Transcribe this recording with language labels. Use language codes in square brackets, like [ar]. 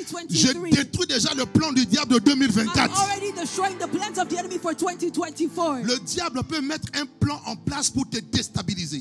[fr] Je détruis déjà le plan du diable de 2024. [en] I'm already destroying the plans of the enemy for 2024. [fr] Le diable peut mettre un plan en place pour te déstabiliser.